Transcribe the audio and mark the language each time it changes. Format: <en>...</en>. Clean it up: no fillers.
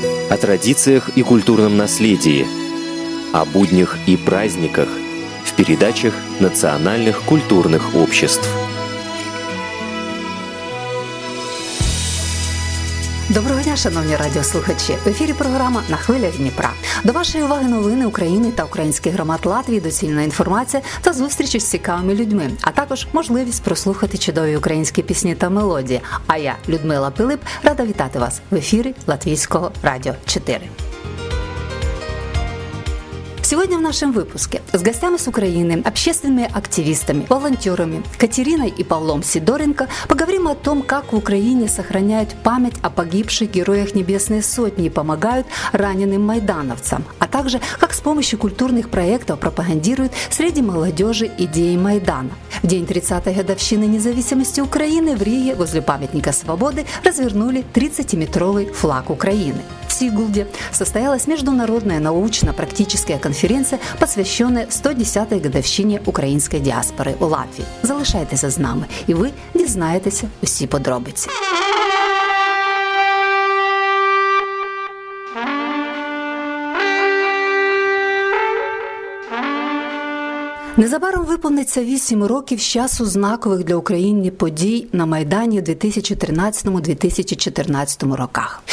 <ru>о традициях и культурном наследии, о буднях и праздниках в передачах национальных культурных обществ.</ru> <uk>Доброго дня, шановні радіослухачі! В ефірі програма «На хвилях Дніпра». До вашої уваги новини України та українських громад Латвії, доцільна інформація та зустрічі з цікавими людьми, а також можливість прослухати чудові українські пісні та мелодії. А я, Людмила Пилип, рада вітати вас в ефірі Латвійського радіо 4.</uk> <ru>Сегодня в нашем выпуске с гостями с Украины, общественными активистами, волонтерами Катериной и Павлом Сидоренко поговорим о том, как в Украине сохраняют память о погибших героях Небесной Сотни и помогают раненым майдановцам, а также как с помощью культурных проектов пропагандируют среди молодежи идеи Майдана. В день 30-й годовщины независимости Украины в Риге возле памятника свободы развернули 30-метровый флаг Украины. В Сигулде состоялась международная научно-практическая конференция, посвященная 110-й годовщине украинской диаспоры у Латвии.</ru> <uk>Залишайтеся с нами, и вы дізнаєтеся усі подробиці. Незабаром виповниться 8 років з часу знакових для України подій на Майдані у 2013-2014 роках.</uk>